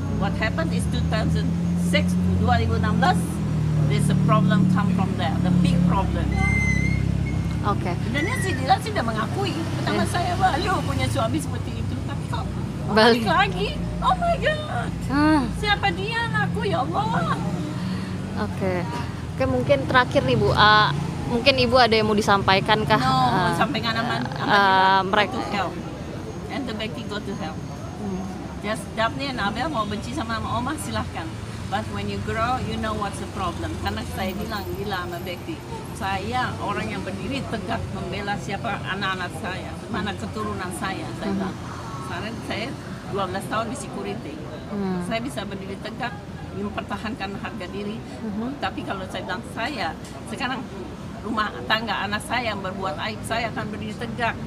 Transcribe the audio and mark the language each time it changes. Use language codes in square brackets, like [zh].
[en] What happened is 2006 to 2016, there's a problem come from there, the big problem. Okay. [id] Sebenarnya si Dila sudah mengakui, pertama saya baru punya suami seperti itu, tapi kok balik lagi? [en] Oh my God, [id] siapa dia anakku, ya Allah? Okay, mungkin terakhir nih Bu, mungkin Ibu ada yang mau disampaikan kah? No, sampaikan aman mereka. [en] Go to hell, and the baby go to hell. Just Daphne and Abel [id] mau benci sama Oma, silahkan. [en] But when you grow, you know what's the problem. [id] Karena saya bilang, Dila sama Becky, saya orang yang berdiri tegak membela siapa anak-anak saya, mana keturunan saya. Saya bilang, karena saya 12 tahun di security. Saya bisa berdiri tegak, mempertahankan harga diri. Tapi kalau saya bilang, saya sekarang rumah tangga anak saya yang berbuat aib, saya akan berdiri tegak.